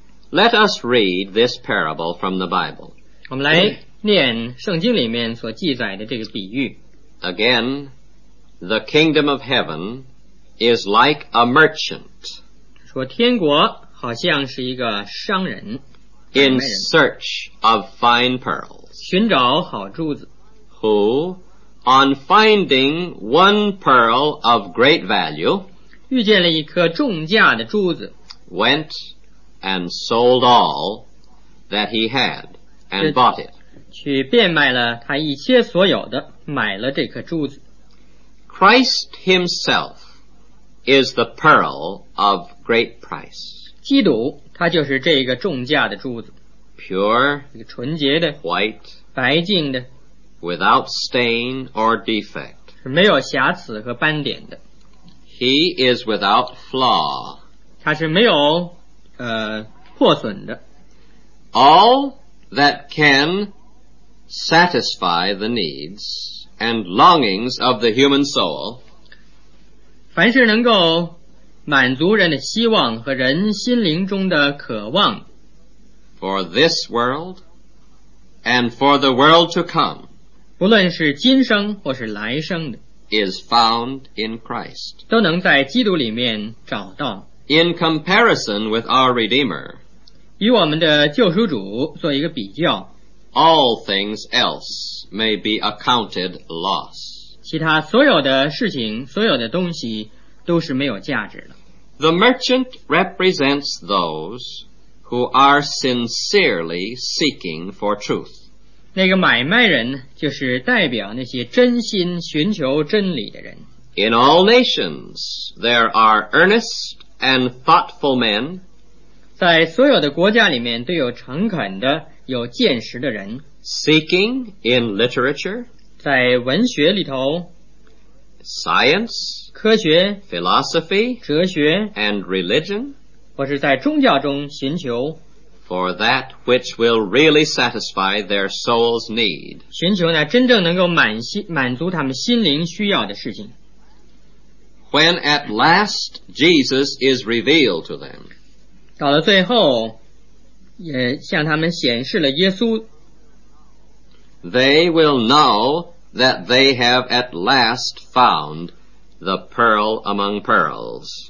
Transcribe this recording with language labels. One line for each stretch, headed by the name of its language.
English: Let us read this parable from the Bible.
Chinese: 我们来念圣经里面所记载的这个比喻。
English: Again, the kingdom of heaven is like a merchant.
Chinese: 说天国好像是一个商人
English: in search of fine pearls
Chinese: 寻找好珠子
English: who on finding one pearl of great value
Chinese: 遇见了一颗重价的珠子
English: went and sold all that he had and bought it
Chinese: 去变卖了他一切所有的买了这颗珠子
English: Christ himself is the pearl of great price
Chinese: 基督他就是这个重价的珠子
English: pure
Chinese: 一个纯洁的
English: white
Chinese: 白净的
English: without stain or defect
Chinese: 是没有瑕疵和斑点的
English: he is without flaw
Chinese: 他是没有破损的
English: all that can satisfy the needs and longings of the human soul
Chinese: 凡是能够满足人的希望和人心灵中的渴望
English: For this world and for the world to come
Chinese: 不论是今生或是来生的
English: is found in Christ
Chinese: 都能在基督里面找到
English: In comparison with our Redeemer
Chinese: 与我们的救赎主做一个比较
English: All things else may be accounted loss
Chinese: 其他所有的事情所有的东西都是没有价值的
English: The merchant represents those who are sincerely seeking for truth.
Chinese: 那个买卖人就是代表那些真心寻求真理的人。
English: In all nations, there are earnest and thoughtful men.
Chinese: 在所有的国家里面都有诚恳的、有见识的人。
English: Seeking in literature.
Chinese: 在文学里头
English: science,
Chinese: 科学
English: philosophy,
Chinese: 哲学
English: and religion,
Chinese: 或是在宗教中寻求
English: for that which will really satisfy their soul's need.
Chinese: 寻求那真正能够满足他们心灵需要的事情。
English: When at last Jesus is revealed to them.
Chinese: 到了最后也向他们显示了耶稣。
English: They will know that they have at last found the pearl among pearls.